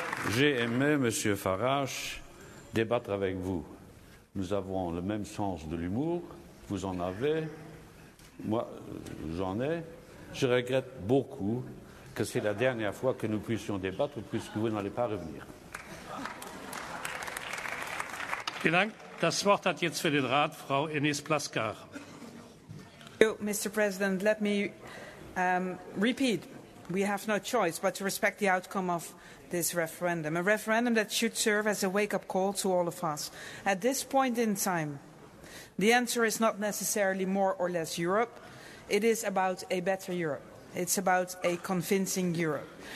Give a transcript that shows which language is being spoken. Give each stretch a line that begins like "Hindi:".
French: J'ai aimé, M. Farage, débattre avec vous. Nous avons le même sens de l'humour. Vous en avez. Moi, j'en ai. Je regrette beaucoup que c'est la dernière fois que nous puissions débattre puisque vous n'allez pas revenir.
German: Dank. Das Wort hat jetzt für den Rat Frau Enes Plaskar.
English: Mr. President, let me repeat. We have no choice but to respect the outcome of this referendum, a referendum that should serve as a wake-up call to all of us. At this point in time, the answer is not necessarily more or less Europe. It is about a better Europe. It's about a convincing Europe.